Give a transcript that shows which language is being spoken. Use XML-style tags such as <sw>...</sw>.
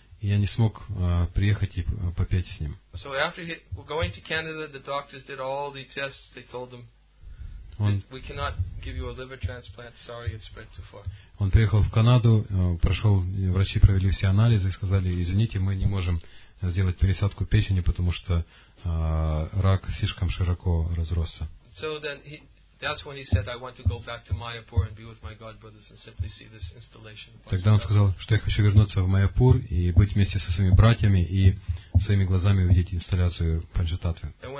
<ru>Я не смог приехать и попеть с ним.</ru> <en>So after going to Canada, the doctors did all the tests. They told them, we cannot give you a liver transplant. Sorry, it spread too far.</en> <ru>Он приехал в Канаду, прошел, врачи провели все анализы и сказали, извините, мы не можем сделать пересадку печени, потому что рак слишком широко разросся. Тогда он сказал, что я хочу вернуться в Майяпур и быть вместе со своими братьями и своими глазами увидеть инсталляцию Панчататвы.</ru>